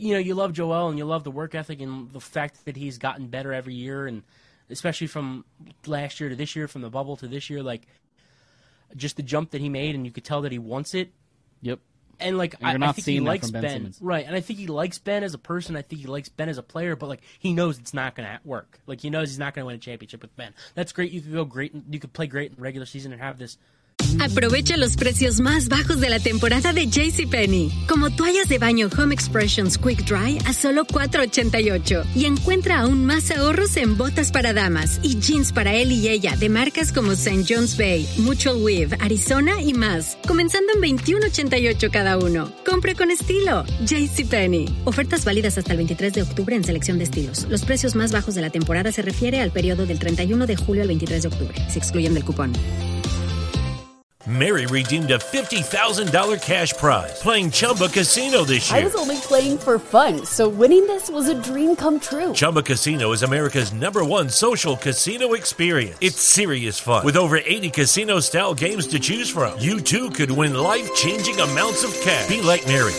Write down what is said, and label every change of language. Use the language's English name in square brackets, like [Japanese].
[English] you know, you love Joel and you love the work ethic and the fact that he's gotten better every year, and especially from last year to this year, from the bubble to this year, like, just the jump that he made, and you could tell that he wants it. Yep. And, like, and I think he likes Ben. Right. And I think he likes Ben as a person. I think he likes Ben as a player. But, like, he knows it's not going to work. Like, he knows he's not going to win a championship with Ben. That's great. You could go great. You could play great in the regular season and have this. [Spanish] Aprovecha los precios más bajos de la temporada de JCPenney, como toallas de baño Home Expressions Quick Dry a solo $4.88. Y encuentra aún más ahorros en botas para damas y jeans para él y ella de marcas como St. John's Bay, Mutual Weave, Arizona y más, comenzando en $21.88 cada uno. Compre con estilo. JCPenney. Ofertas válidas hasta el 23 de octubre en selección de estilos. Los precios más bajos de la temporada se refiere al periodo del 31 de julio al 23 de octubre. Se excluyen del cupón. [English] Mary redeemed a $50,000 cash prize playing Chumba Casino this year. I was only playing for fun, so winning this was a dream come true. Chumba Casino is America's number one social casino experience. It's serious fun. With over 80 casino-style games to choose from, you too could win life-changing amounts of cash. Be like Mary.